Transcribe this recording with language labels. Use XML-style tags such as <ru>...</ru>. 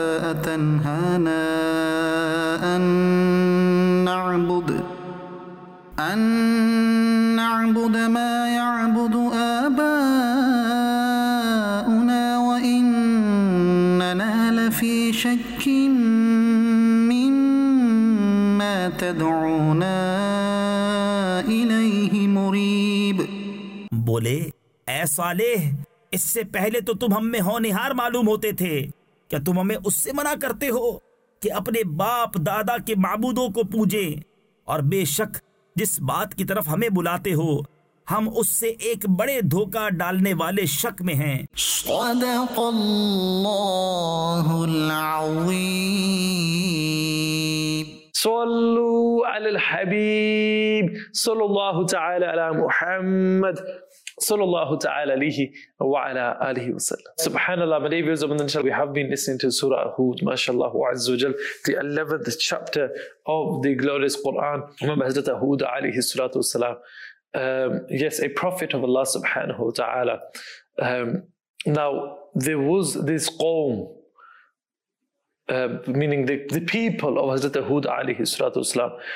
<ar>اتنهانا ان نعبد ما يعبد آباؤنا وإننا لفي شك مما تدعونا إليه مريب.</ar> <ur>بولے اے صالح اس سے پہلے تو تم ہم میں ہونہار معلوم ہوتے تھے, کیا تم ہمیں اس سے منع کرتے ہو کہ اپنے باپ دادا کے معبودوں کو پوجیں؟ اور بے شک جس بات کی طرف ہمیں بلاتے ہو ہم اس سے ایک بڑے دھوکا ڈالنے والے شک میں ہیں.</ur> <ar>صدق اللہ العظیم. صلوا علی الحبیب صلی اللہ تعالی علی محمد صلی اللہ تعالی علیہ وعلی آلہ وسلم. سبحان اللہ.</ar> <en>My dear viewers, inshallah, we have been listening to Surah Hud, mashallah, عز و جل, the 11th chapter of the glorious Quran. Remember Hazrat Hud alayhi salatu wasalam, yes, a prophet of Allah subhanahu wa ta'ala. Now, there was this qawm, meaning the people of Hazrat Hud alayhi salatu wasalam.</en>